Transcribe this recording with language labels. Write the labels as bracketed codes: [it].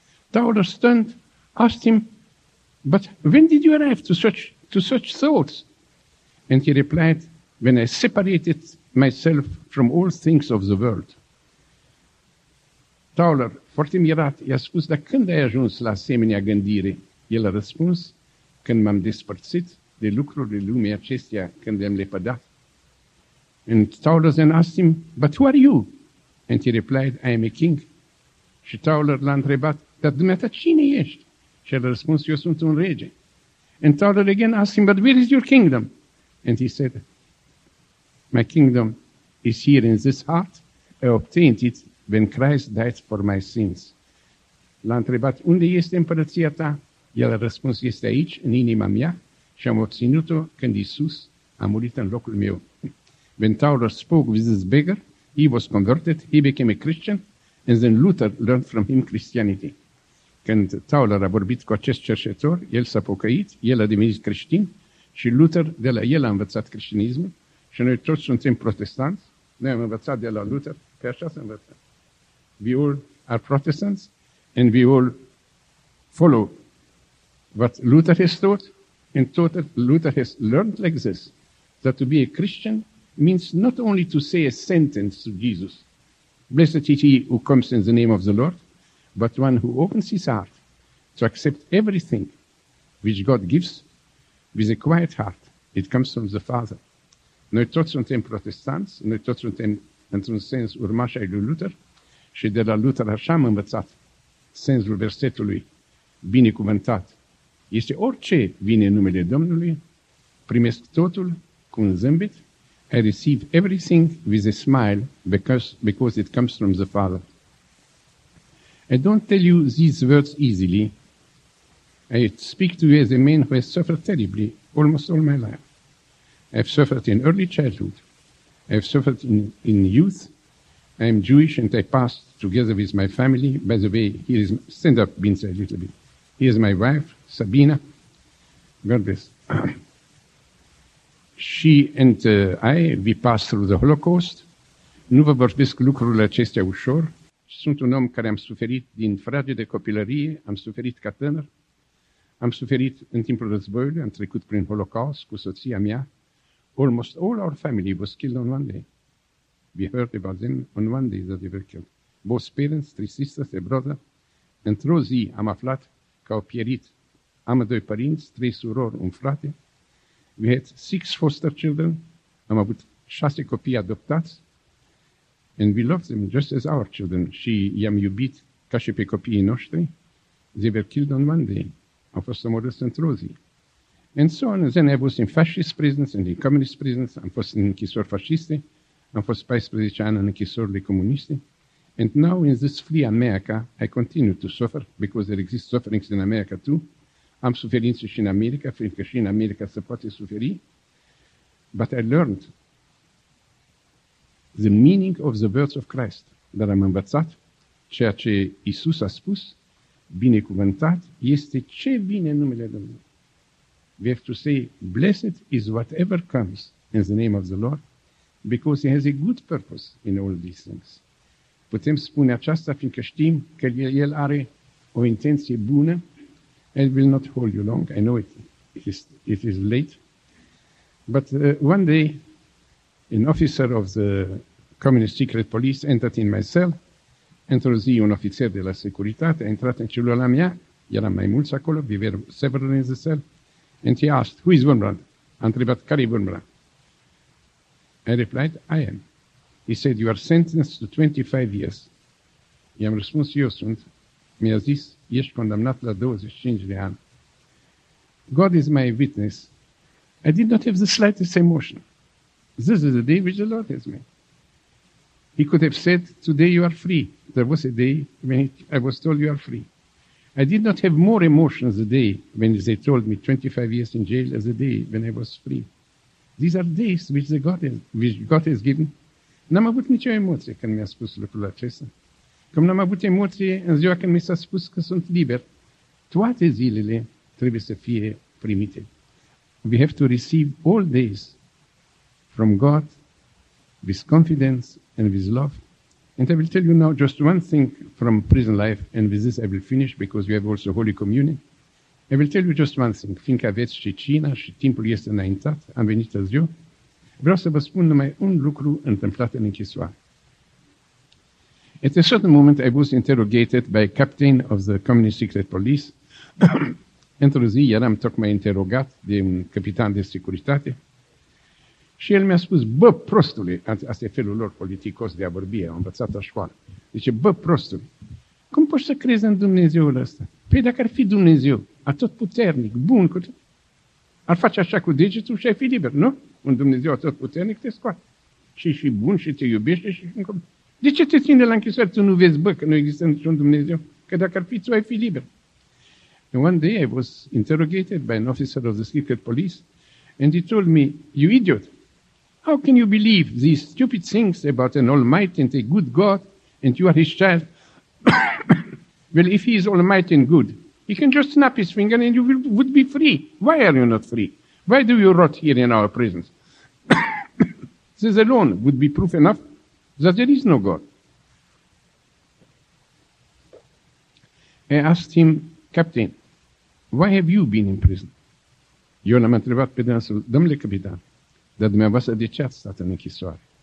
[en] Tauler stunned asked him, but when did you arrive to such thoughts? And he replied, when I separated myself from all things of the world. [ro] Tauler, foarte mirat, i-a spus, dar când ai ajuns la asemenea gândire? El a răspuns, când m-am despărțit de lucrurile lumii acestea, când le-am lepădat. [en] And Tauler then asked him, but who are you? And he replied, I am a king. [ro] Și Tauler l-a întrebat, dar dumneata cine ești? Și el a răspuns, eu sunt un rege. [en] And Tauler again asked him, but where is your kingdom? And he said, my kingdom is here in this heart. I obtained it when Christ died for my sins. [ro] L-a întrebat, unde este împărăția ta? El a răspuns, este aici, în inima mea, și am obținut-o când Iisus a murit în locul meu. [en] When Tauler spoke with this beggar, he was converted, he became a Christian, and then Luther learned from him Christianity. [ro] Când Tauler a vorbit cu acest cerșetor, el s-a pocăit, el a devenit creștin, și Luther de la el a învățat creștinismul, și noi toți suntem protestanți, noi am învățat de la Luther, pe așa se învăță. [en] We all are Protestants, and we all follow what Luther has taught, and total Luther has learned like this, that to be a Christian means not only to say a sentence to Jesus, blessed is he who comes in the name of the Lord, but one who opens his heart to accept everything which God gives with a quiet heart. It comes from the Father. [ro] Noi toți suntem protestanți, noi toți suntem, într-un sens, urmașii lui Luther, și de la Luther așa am învățat sensul versetului binecuvântat. Este orice vine în numele Domnului, primesc totul cu un zâmbet, [en] I receive everything with a smile because it comes from the Father. I don't tell you these words easily. I speak to you as a man who has suffered terribly almost all my life. I've suffered in early childhood. I've suffered in youth. I'm Jewish and I passed together with my family. By the way, here is, stand up, Binza, a little bit. Here is my wife, Sabina. God bless. She and I, we passed through the Holocaust. [ro] Nu vă vorbesc lucrurile acestea ușor. Sunt un om care am suferit din frage de copilărie, am suferit ca tânăr, am suferit în timpul războiului, am trecut prin Holocaust cu soția mea. [en] Almost all our family was killed on one day. We heard about them on one day that they were killed. Both parents, three sisters, a brother. [ro] Într-o zi am aflat că au pierit amândoi părinți, trei surori, un frate. [en] We had six foster children. [ro] Am avut șase copii adoptați. [en] And we loved them just as our children. [ro] Și i-am iubit ca și pe copiii noștri. [en] They were killed on one day. [ro] Au fost omorâți într-o zi. [en] And so on. Then I was in fascist prisons and in communist prisons. [ro] Am fost în închisori fasciste. Am fost 14 ani în închisorile comuniste. [en] And now in this free America, I continue to suffer because there exist sufferings in America too. [ro] Am suferințe și în America, fiindcă și în America se poate suferi. [en] But I learned the meaning of the words of Christ. [ro] Dar am învățat ceea ce Iisus a spus, binecuvântat, este ce vine în numele Domnului. [en] We have to say, blessed is whatever comes in the name of the Lord, because he has a good purpose in all these things. [ro] putem spune aceasta, fiindcă știm că el are o intenție bună. [en] I will not hold you long. I know it is late. But one day, an officer of the Communist Secret Police entered in my cell. [ro] Într-o zi, un ofițer de la securitate a intrat în celula mea. Eram mai mulți acolo, [en] we were several in the cell. And he asked, who is Wurmbrand? [ro] A întrebat, care e Wurmbrand? [en] I replied, I am. He said, you are sentenced to 25 years. [ro] I-am răspuns, eu sunt. Mi-a zis, ești condamnat la 25 de ani. [en] God is my witness. I did not have the slightest emotion. This is the day which the Lord has made. He could have said, today you are free. There was a day when I was told you are free. I did not have more emotions the day when they told me 25 years in jail as the day when I was free. These are days which God has given. [ro] N-am avut nicio emoție când mi-a spus lucrul acesta. Cum n-am avut emoție în ziua când mi s-a spus că sunt liber. Toate zilele trebuie să fie primite. [en] We have to receive all days from God with confidence and with love. And I will tell you now just one thing from prison life, and with this I will finish because we have also Holy Communion. I will tell you just one thing. [ro] Fiindcă aveți și cina și timpul este înaintat, am venit azi eu, vreau să vă spun numai un lucru întâmplat în închisoare. [en] At a certain moment I was interrogated by a captain of the Communist Secret Police. [ro] Într-o zi eram tocmai interogat de un capitan de securitate. Și el mi-a spus, bă, prostule, asta e felul lor politicos de a vorbi, a învățat la școală. Zice, bă, prostule, cum poți să crezi în Dumnezeul ăsta? Păi dacă ar fi Dumnezeu, atot puternic, bun, ar face așa cu degetul și ai fi liber, nu? Un Dumnezeu atot puternic te scoate. Și bun și te iubește și... De ce te ține la închisoare? Tu nu vezi, bă, că nu există niciun Dumnezeu? Că dacă ar fi, tu ai fi liber. [en] And one day I was interrogated by an officer of the secret police. And he told me, you idiot, how can you believe these stupid things about an almighty and a good God, and you are his child? Well, if he is almighty and good, he can just snap his finger and you would be free. Why are you not free? Why do you rot here in our prisons? This alone would be proof enough that there is no God. I asked him, Captain, why have you been in prison? [ro] Eu l-am întrebat pe dânsul, domnule capitan, dar dumneavoastră de ce ați stat în închisoare?